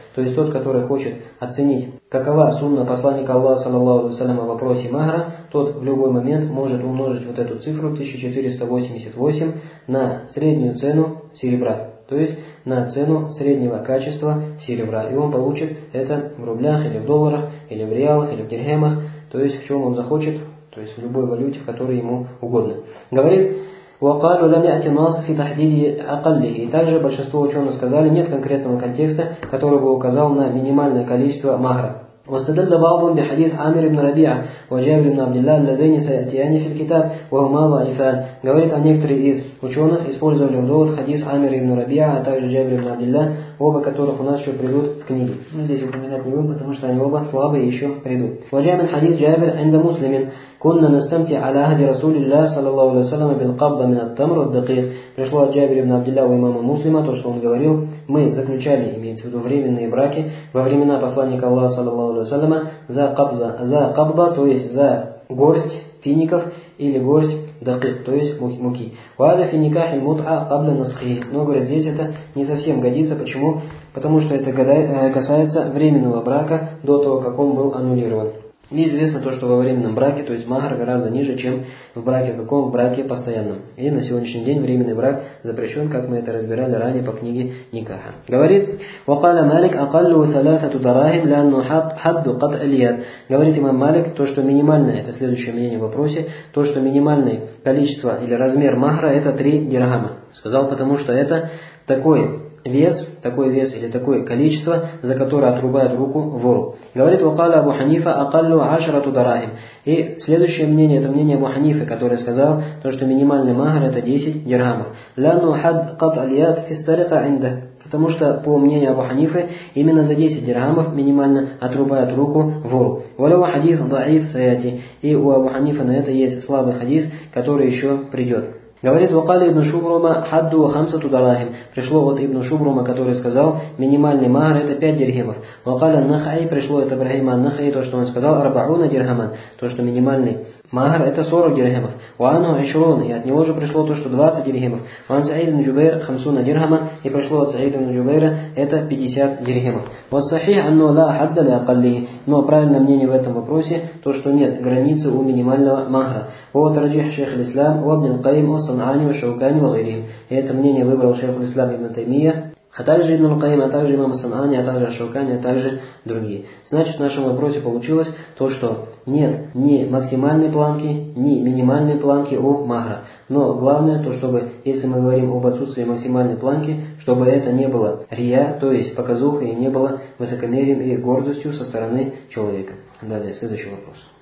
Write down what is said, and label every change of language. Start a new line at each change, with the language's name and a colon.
Russian: То есть тот, который хочет оценить, какова сунна посланника Аллаха, саллаллаху алейхи ва саллям, о вопросе Махра, тот в любой момент может умножить вот эту цифру 1488 на среднюю цену серебра, то есть на цену среднего качества серебра, и он получит это в рублях, или в долларах, или в реалах, или в дирхемах, то есть в чем он захочет, то есть в любой валюте, в которой ему угодно.
Arabic: Говорит, وقالوا لم يأتي الناس في تحديد أقله.
Russian: И также большинство ученых сказали, нет конкретного контекста, который бы указал на минимальное количество махра.
Arabic: واستدل بعضهم بحديث عامر بن ربيعة وجابر بن عبد الله اللذين سيأتيان في الكتاب وهما ضعيفان.
Russian: Говорит, а некоторые из ученых использовали в довод хадис Амира ибн Рабиа, а также Джабир ибн Абдилла, оба которых у нас еще придут в книге. Мы здесь упоминать не будем, потому что они оба слабые еще придут.
Arabic: وجابر حديث جابر عند مسلم كنا نستمتع على هدي رسول الله صلى الله عليه وسلم بالقبض من التمر الدقيق.
Russian: Пришло от Джабира ибн Абдилла у имама Муслима то, что он говорил, мы заключали, имеется в виду временные браки, во времена посланника Аллаха, саллаллаху алейхи ва саллям, за кабза, то есть за горсть фиников или горсть дакыт, то есть муки.
Arabic: Вада финикахи мут'а кабля насхи.
Russian: Но, говорят, здесь это не совсем годится. Почему? Потому что это касается временного брака до того, как он был аннулирован. Неизвестно то, что во временном браке, то есть махр гораздо ниже, чем в браке каком? В браке постоянном. И на сегодняшний день временный брак запрещен, как мы это разбирали ранее по книге Никаха.
Arabic: Говорит, وقال مالك أقل ثلاثة دراهم لأنه حد قطع اليد.
Russian: Говорит имам Малик, то, что минимальное, это следующее мнение в вопросе, то, что минимальное количество или размер махра это 3 дирхама. Сказал, потому что это такое. Такой вес или такое количество, за которое отрубают руку вору.
Arabic: Говорит وقال أبو حنيفة أقل عشرة دراهم.
Russian: И следующее мнение, это мнение Абу Ханифы, который сказал, что минимальный махр это 10 дирхамов.
Arabic: لأنه حد قطع اليد في السرقة عنده.
Russian: Потому что, по мнению Абу Ханифы, именно за 10 дирхамов минимально отрубают руку вору.
Arabic: وله حديث ضعيف سيأتي.
Russian: И у Абу Ханифы на это есть слабый хадис, который еще придет.
Arabic: Говорит, وقال ابن شبرمة حد وخمسة دراهم.
Russian: Пришло вот ابن شبرمة, который сказал, минимальный махр это 5 дирхемов.
Arabic: وقال النخعي,
Russian: пришло от Ибрахима النخعي, то, что он сказал, 40 дирхама, то, что минимальный махр это 40 дирхемов.
Arabic: وعنه
Russian: 20, и от него же пришло то, что 20 дирхемов.
Arabic: وعن سعيد بن جبير
Russian: 50 дирхама, и пришло от سعيد بن جبير это 50 дирхемов.
Arabic: والصحيح أنه لا حد لأقله.
Russian: Но правильное мнение в этом вопросе, то, что нет границы у минимального махра.
Arabic: Вот رجح شيخ الإسلام وابن القيم صنعاني وشوكاني وغيرهم.
Russian: И это мнение выбрал шейх ислам ибн Таймия, а также ибн Аль-Каим, а также имам Санани, а также Шаукани, а также другие. Значит, в нашем вопросе получилось то, что нет ни максимальной планки, ни минимальной планки у махра. Но главное то, чтобы, если мы говорим об отсутствии максимальной планки, чтобы это не было рия, то есть показуха, и не было высокомерием и гордостью со стороны человека. Далее, следующий вопрос.